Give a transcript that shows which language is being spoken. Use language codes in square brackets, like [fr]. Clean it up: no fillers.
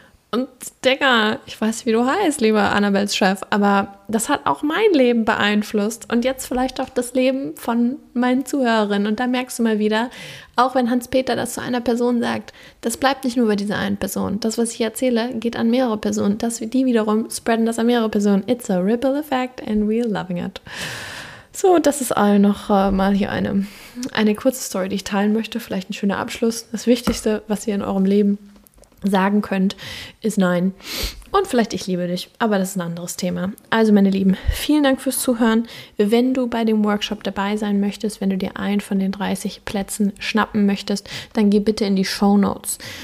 [de] Und Digga, ich weiß, wie du heißt, lieber Annabels Chef, aber das hat auch mein Leben beeinflusst und jetzt vielleicht auch das Leben von meinen Zuhörerinnen. Und da merkst du mal wieder, auch wenn Hans-Peter das zu einer Person sagt, das bleibt nicht nur bei dieser einen Person. Das, was ich erzähle, geht an mehrere Personen. Das, die wiederum spreaden das an mehrere Personen. [en] It's a ripple effect and we're loving it. [de] So, das ist all noch mal hier eine kurze Story, die ich teilen möchte. Vielleicht ein schöner Abschluss. Das Wichtigste, was ihr in eurem Leben sagen könnt, ist Nein. Und vielleicht ich liebe dich, aber das ist ein anderes Thema. Also meine Lieben, vielen Dank fürs Zuhören. Wenn du bei dem Workshop dabei sein möchtest, wenn du dir einen von den 30 Plätzen schnappen möchtest, dann geh bitte in die Shownotes.